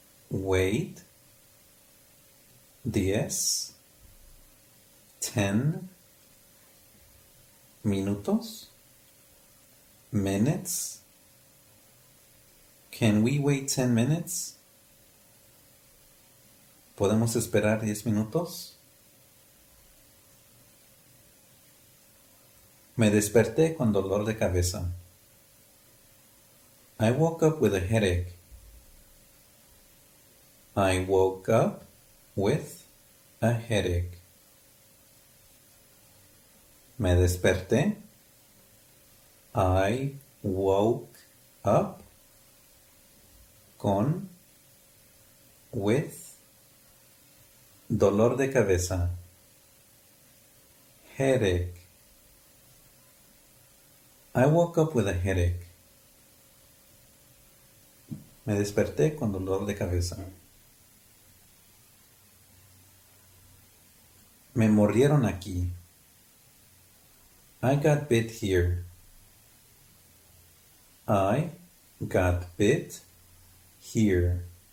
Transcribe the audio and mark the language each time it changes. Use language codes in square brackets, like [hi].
[en] Wait 10 [es] minutos? [en] Minutes? Can we wait 10 minutes? [es] ¿Podemos esperar 10 minutos? Me desperté con dolor de cabeza. [en] I woke up with a headache. I woke up with a headache. [es] Me desperté. [en] I woke up [es] con [en] with [es] dolor de cabeza. [en] Headache. I woke up with a headache. [es] Me desperté con dolor de cabeza. Me mordieron aquí. [en] I got bit here. I got bit here.